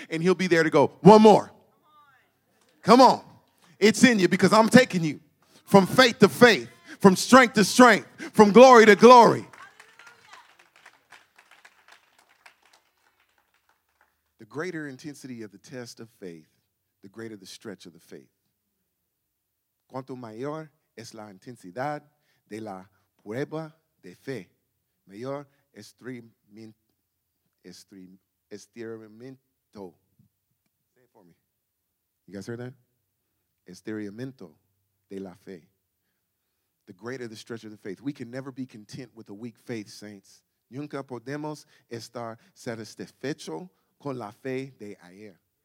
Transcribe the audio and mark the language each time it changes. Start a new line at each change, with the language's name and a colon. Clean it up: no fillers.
English: And he'll be there to go, one more. Come on, it's in you because I'm taking you from faith to faith, from strength to strength, from glory to glory. The greater intensity of the test of faith, the greater the stretch of the faith.
Spanish: Cuanto mayor es la intensidad de la prueba de fe, mayor estiramiento.
English: Say it for me. You guys heard that?
Spanish: Estiramiento de la fe.
English: The greater the stretch of the faith. We can never be content with a weak faith, saints.
Spanish: Nunca podemos estar satisfecho con la fe de ayer.